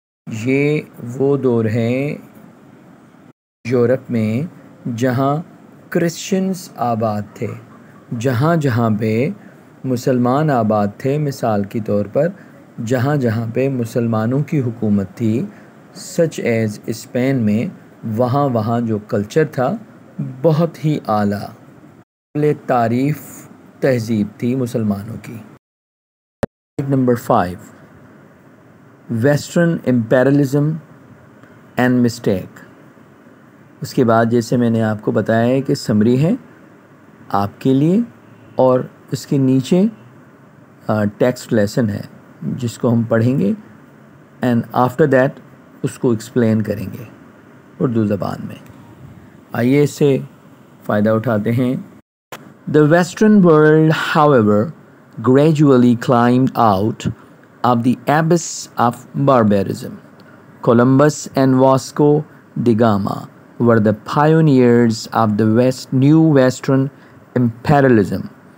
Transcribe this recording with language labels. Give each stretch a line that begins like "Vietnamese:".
Urdu: یہ وہ دور ہیں یورپ میں جہاں کرسچنز آباد تھے, جہاں جہاں پہ مسلمان آباد تھے. مثال کے طور پر جہاں جہاں پہ مسلمانوں کی حکومت تھی, سچ ایز اسپین میں, وہاں وہاں جو کلچر تھا بہت ہی اعلیٰ. تعریف تہذیب تھی مسلمانوں کی.
English: Number 5, western imperialism and mistake.
Urdu: اس کے بعد جیسے میں نے آپ کو بتایا ہے کہ سمری ہے آپ کے لیے, اور اس کے نیچے ٹیکسٹ لیسن ہے جس کو ہم پڑھیں گے,
English: and after that
Urdu: اس کو ایکسپلین کریں گے اردو زبان میں. آئیے اس سے فائدہ اٹھاتے ہیں.
English: The Western world, however, gradually climbed out of the abyss of barbarism. Columbus and Vasco da Gama were the pioneers of the new Western imperialism.